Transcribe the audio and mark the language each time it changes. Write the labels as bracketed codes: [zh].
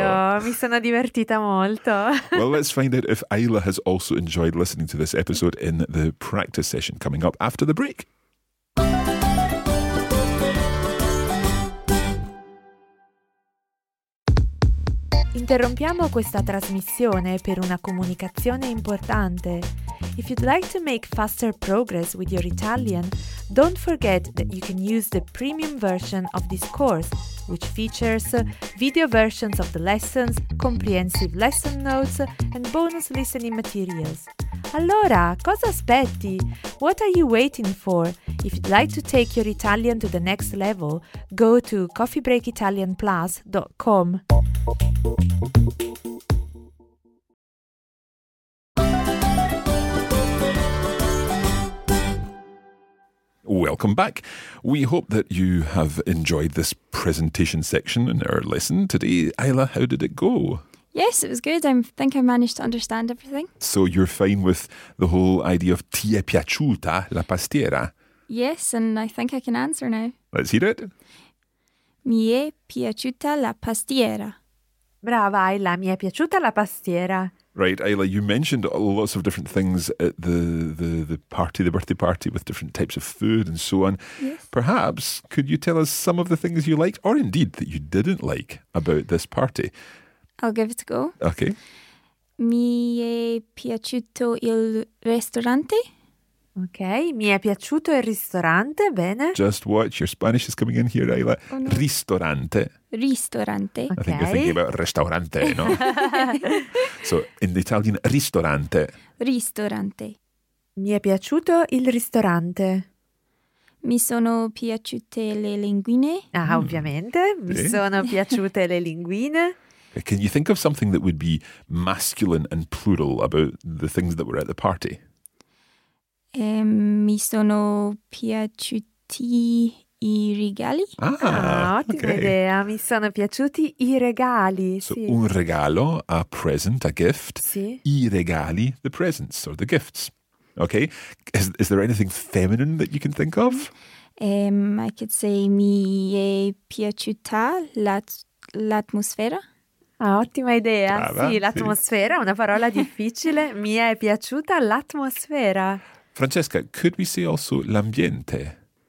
[it] Anch'io, mi sono divertita molto. [en] Well, let's find out if Ayla has also enjoyed listening to this episode in the practice session coming up after the break. [it] Interrompiamo questa trasmissione per una comunicazione importante. [en] If you'd like to make faster progress with your Italian, don't forget that you can use the premium version of this course, which features video versions of the lessons, comprehensive lesson notes, and bonus listening materials. [it] Allora, cosa aspetti? [en] What are you waiting for? If you'd like to take your Italian to the next level, go to coffeebreakitalianplus.com. Welcome back. We hope that you have enjoyed this presentation section in our lesson today. Ayla, how did it go? Yes, it was good. I think I managed to understand everything. So you're fine with the whole idea of [it] ti è piaciuta la pastiera? [en] Yes, and I think I can answer now. Let's hear it. [it] Mi è piaciuta la pastiera. Brava Ayla, mi è piaciuta la pastiera. [en] Right, Ayla, you mentioned lots of different things at the party, the birthday party, with different types of food and so on. Yes. Perhaps, could you tell us some of the things you liked, or indeed that you didn't like, about this party? I'll give it a go. Okay. [it] Mi è piaciuto il ristorante. Okay, mi è piaciuto il ristorante, bene. [en] Just watch, your Spanish is coming in here, Ayla. Oh, no. [it] Ristorante. Ristorante. [en] I think you're thinking about restaurante, no? So, in the Italian, ristorante. [it] Ristorante. Mi è piaciuto il ristorante. Mi sono piaciute le linguine. Ah, ovviamente. Mi sono piaciute le linguine. [en] Can you think of something that would be masculine and plural about the things that were at the party? [it] Mi sono piaciuti i regali. Ah, ottima okay. idea. Mi sono piaciuti i regali. [en] So [it] sì. Un regalo, [en] a present, a gift. [it] Sì. I regali, [en] the presents or the gifts. Okay. Is there anything feminine that you can think of? I could say [it] mi è piaciuta l'atmosfera. Ah, ottima idea. Brava, sì, l'atmosfera, sì. Una parola difficile. Mi è piaciuta l'atmosfera. [en] Francesca, could we say also l'ambiente?